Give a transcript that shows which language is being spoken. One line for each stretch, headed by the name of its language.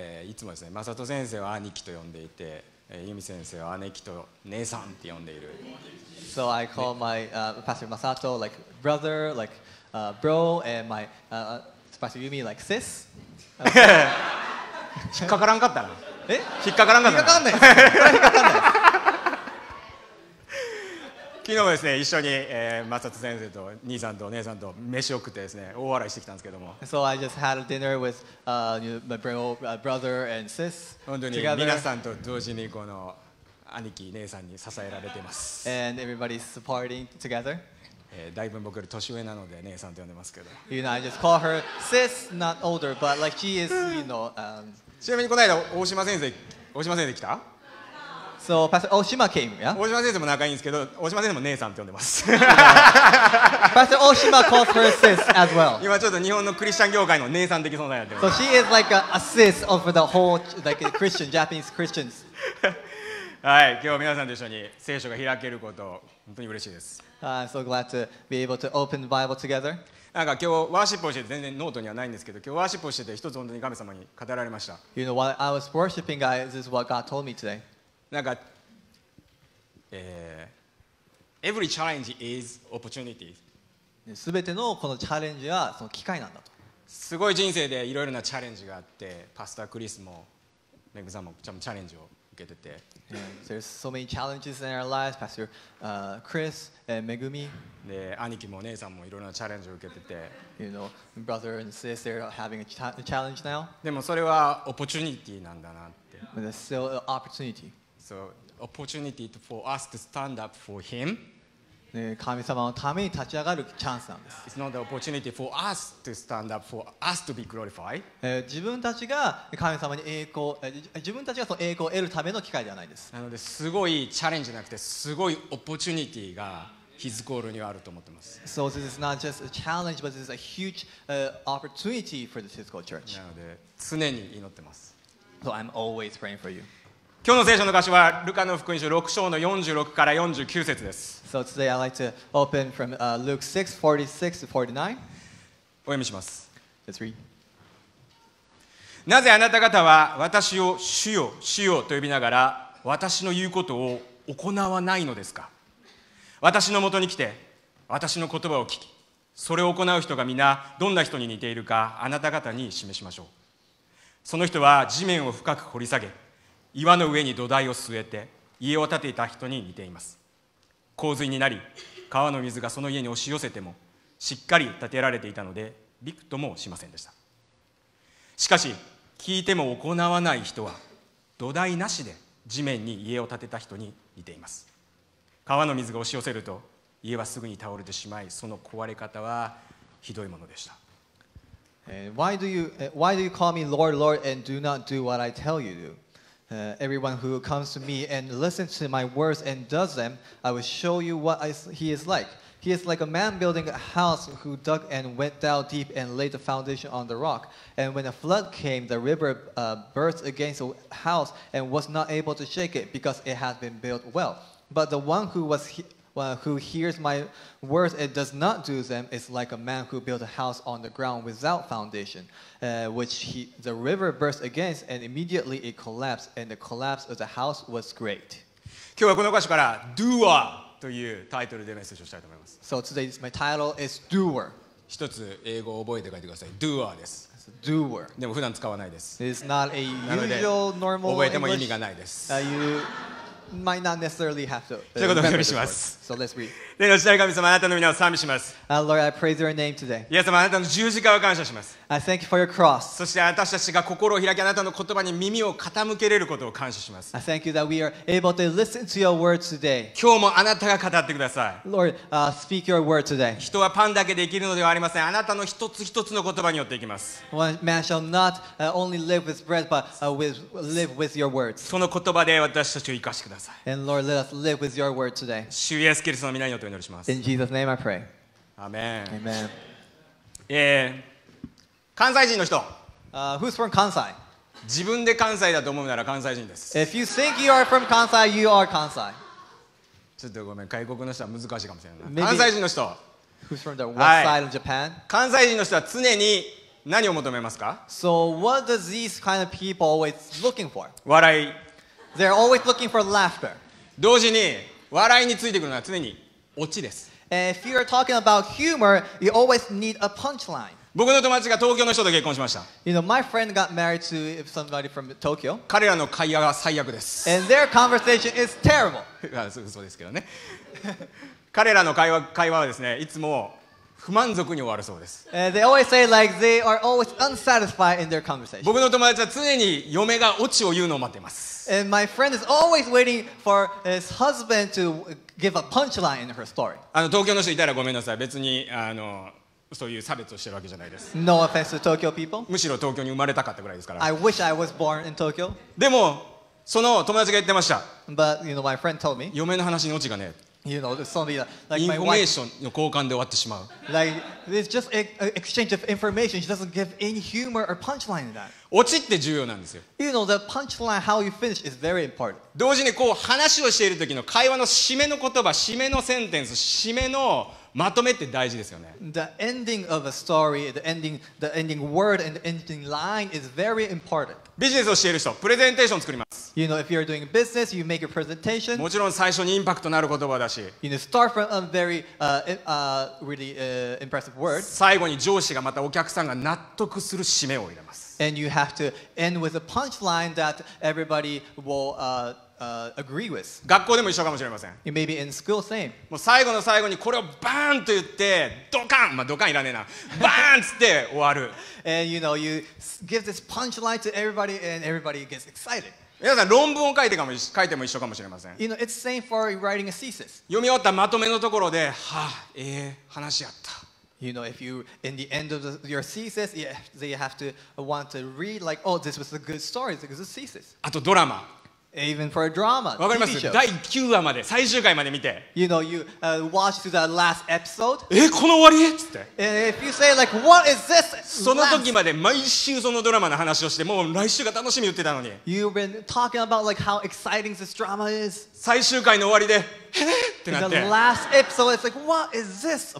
Japanese: いつもですね、マサト先生は兄貴と呼んでいて、ユミ先生は姉貴と姉さんって呼んでいる。
English: So I call my Pastor Masato like brother, like bro, and my Pastor Yumi like sis.
Japanese: 引っかからんかったな。え？引っかからんかったな。引っかかんない。昨日もですね、一緒に、松里先生と兄さんとお姉さんと飯を食ってですね、大笑いしてきたんですけども。
English: So I just had a dinner with my brother and sis.
Japanese: 本当に皆さんと同時にこの兄貴姉さんに支えられています。
English: And everybody's supporting together.
Japanese: だいぶ僕より年上なので姉さんと呼んでますけど。
English: You know, I just call her sis, not older, but like she is, you know.
Japanese: ちなみにこの間大島先生来た？
English: So, Pastor Oshima came, yeah?
Japanese: 大島先生も仲いいんですけど、大島先生も姉さんって呼んでます。
English: Pastor Oshima calls her sis as well.
Japanese: 今ちょっと日本のクリスチャン業界の姉さん的存在になってます。
English: So she is like a sis of the whole like Christian, Japanese Christians.
Japanese: はい、今日皆さんと一緒に聖書が開けること、本当に嬉しいです。
English: I'm so glad to be able to open the Bible together.
Japanese: なんか今日ワーシップをしてて、全然ノートにはないんですけど、今日ワーシップをしてて、一つ本当に神様に語られました。
English: You know, while I was worshiping, guys, this is what God told me today.
Japanese: なんか、
English: every challenge is opportunity.
Japanese: すべてのこのチャレンジはその機会なんだと。すごい人生でいろいろなチャレンジがあって、パスタークリスもメグさんもチャレンジを受けてて。
English: Yeah, there's so many challenges in our lives, Pastor Chris and Megumi.
Japanese: で、兄貴もお姉さんもいろいろなチャレンジを受けてて。
English: You know, brother and sister are having a challenge now.
Japanese: でもそれはオポチュニティなんだなって。
English: But it's still an opportunity. So, opportunity for us to stand up for Him.
Japanese: 神様のために立ち上がるチャンスなんです。
English: It's not the opportunity for us to stand up for us to be glorified.
Japanese: 自分たちが神様に栄光、自分たちがその栄光を得るための機会ではないです。なので、すごいチャレンジじゃなくて、すごいオポチュニティが
English: His goal
Japanese: にはあると思ってます。
English: So this is not just a challenge, but this is a huge opportunity for the physical church.
Japanese: なので、常に祈ってます。
English: So I'm always praying for you.
Japanese: 今日の聖書の箇所はルカの福音書6章の46から49節です。
English: So today I'd like to open from Luke 6, 46 to 49.
Japanese: お読みします。
English: Let's read.
Japanese: なぜあなた方は私を主よ、主よと呼びながら私の言うことを行わないのですか？私のもとに来て私の言葉を聞き、それを行う人が皆どんな人に似ているかあなた方に示しましょう。その人は地面を深く掘り下げ、岩の上に土台を据えて家を建てた人に似ています。洪水になり川の水がその家に押し寄せてもしっかり建てられていたのでびくともしませんでした。しかし聞いても行わない人は土台なしで地面に家を建てた人に似ています。川の水が押し寄せると家はすぐに倒れてしまい、その壊れ方はひどいものでした。
English: Why do you call me Lord, Lord and do not do what I tell you do? Everyone who comes to me and listens to my words and does them, I will show you what he is like. He is like a man building a house who dug and went down deep and laid the foundation on the rock. And when a flood came, the river burst against the house and was not able to shake it because it had been built well. But the one who hears my words and does not do them is like a man who built a house on the ground without foundation, the river burst against, and immediately it collapsed, and the collapse of the house was great.
Japanese: 今日はこの箇所から Doer というタイトルでメッセージをしたいと思います。
English: So today my title is Doer.
Japanese: 一つ英語を覚えて書いてください。 Doer です。
English: Doer.
Japanese: でも普段使わないです。
English: It's not a usual normal English.
Japanese: 覚えても意味がないです。
English: Might not necessarily have to.
Japanese: ということでお願いします。
English: So let's read.
Japanese: 天の父なる神様、あなたの皆を賛美します。
English: Lord, I praise your name today.
Japanese: イエス様、あなたの十字架を感謝します。
English: I thank you for your cross.
Japanese: そして私たちが心を開き、あなたの言葉に耳を傾けれることを感謝します。
English: I thank you that we are able to listen to your word today.
Japanese: 今日もあなたが語ってください。
English: Lord, speak your word today.
Japanese: 人はパンだけで生きるのではありません。あなたの一つ一つの言葉によって生きます。
English: One man shall not only live with bread, but live with your words.
Japanese: その言葉で私たちを生かしてください。
English: And Lord, let us live with your word today.
Japanese: 主イエスキリストの皆によって
English: In Jesus' name I pray. Amen. Amen.
Japanese: 関西人の人。
English: Who's from Kansai?
Japanese: 自分で関西だと思うなら関西人です。
English: If you think you are from Kansai, you are Kansai.
Japanese: ちょっとごめん、外国の人は難しいかもしれない。関西人の人。
English: Who's from the west side of Japan?
Japanese: 関西人の人は常に何を求めますか？
English: So what does these kind of people always looking for?
Japanese: 笑い。
English: They're always looking for laughter.
Japanese: 同時に笑いについてくるのは常に。オチです。
English: If you are talking about humor, you always need a punchline.
Japanese: 僕の友達が東京の人と結婚しました。
English: You know, my friend got married to somebody from Tokyo.
Japanese: 彼らの会話が最悪です。
English: And their conversation is terrible.
Japanese: あ、そうですけどね。彼らの会話はですね、いつも不満足に終わるそうです。
English: They always say like they are always unsatisfied in their conversation.
Japanese: 僕の友達は常に嫁がオチを言うのを待っています。
English: And my friend is always waiting for his husband to give a punchline in her story.
Japanese: あの東京の人いたらごめんなさい。別にあのそういう差別をしてるわけじゃないです。
English: No offense to Tokyo people.
Japanese: むしろ東京に生まれたかったぐらいですから。
English: I wish I was born in Tokyo.
Japanese: でもその友達が言ってました。
English: But you know my friend told me.
Japanese: 嫁の話にオチがね。
English: You know, something like
Japanese: インフォメーションの交換で終わってしまう。
English: Like it's just an exchange of information. She doesn't give any humor or punchline in that.
Japanese: オチって重要なんですよ。
English: You know, the punchline, how you finish is very important.
Japanese: 同時にこう話をしている時の会話の締めの言葉、締めのセンテンス、締めのまとめって大事ですよね。
English: The ending of a story, the ending word and the ending line is very important.
Japanese: ビジネスをしている人、プレゼンテーションを作ります。
English: You know, if you're doing business, you make a presentation.
Japanese: もちろん最初にインパクトのある言葉だし。
English: You know, start from a very really impressive word.
Japanese: 最後に上司がまたお客さんが納得する締めを入れます。
English: And you have to end with a punchline that everybody will agree with.
Japanese: 学校でも一緒かもしれません。
English: It may be in school same.
Japanese: もう最後の最後にこれをバーンと言ってドカン、まあドカンいらねえな、バーンっつって終わる。
English: And you know, you give this punchline to everybody and everybody gets excited.
Japanese: 皆さん論文を書いても一緒かもしれません。
English: You know, it's same for writing a thesis.
Japanese: 読み終わったまとめのところで、はあ、話やった。
English: You know, if you in the end of your thesis, they have to want to read like, oh, this was a good story, this was a thesis.
Japanese: あとドラマ。
English: Even for a drama, TV show.
Japanese: 第9話まで、最終回まで見て。
English: You know, you watch to the last episode.
Japanese: え、この終わりっつって。
English: And if you say like, what is this?
Japanese: その時まで毎週そのドラマの話をして、もう来週が楽しみ言ってたのに。
English: You've been talking about like how exciting this drama is.
Japanese: 最終回の終わりで。ってなって
English: the last episode, it's like, what is this about?